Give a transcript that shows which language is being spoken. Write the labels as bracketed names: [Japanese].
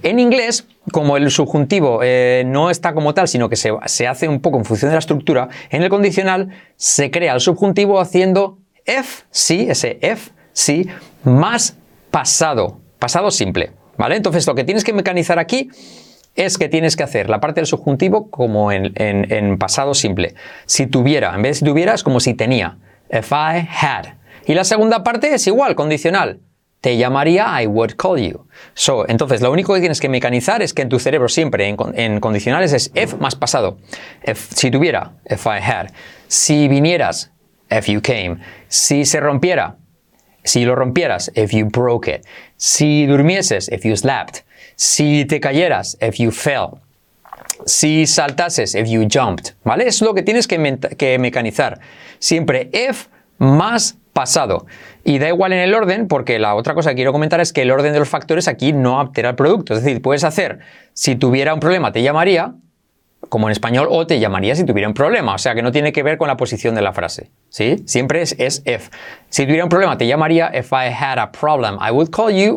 [Spanish] En inglés, como el subjuntivo no está como tal, sino que se hace un poco en función de la estructura, en el condicional se crea el subjuntivo haciendo if, si, ese if, si, más pasado, pasado simple, ¿vale? Entonces, lo que tienes que mecanizar aquí es que tienes que hacer la parte del subjuntivo como en pasado simple. Si tuviera, en vez de si tuviera, es como si tenía. [English] If I had. [Spanish] Y la segunda parte es igual, condicional. Te llamaría, [English] I would call you. [Spanish] So, entonces, lo único que tienes que mecanizar es que en tu cerebro siempre, en condicionales, es if más pasado. [English] If, [Spanish] si tuviera, [English] if I had. [Spanish] Si vinieras, [English] if you came. [Spanish] Si se rompiera, si lo rompieras, [English] if you broke it. [Spanish] Si durmieses, [English] if you slept. [Spanish] Si te cayeras, [English] if you fell. [Spanish] Si saltases, [English] if you jumped. [Spanish] ¿Vale? Es lo que tienes que mecanizar. Siempre if más pasado. Y da igual en el orden, porque la otra cosa que quiero comentar es que el orden de los factores aquí no altera el producto. Es decir, puedes hacer, si tuviera un problema, te llamaría, como en español, o te llamaría si tuviera un problema. O sea, que no tiene que ver con la posición de la frase, ¿sí? Siempre es if. Si tuviera un problema, te llamaría. [English] If I had a problem, I would call you.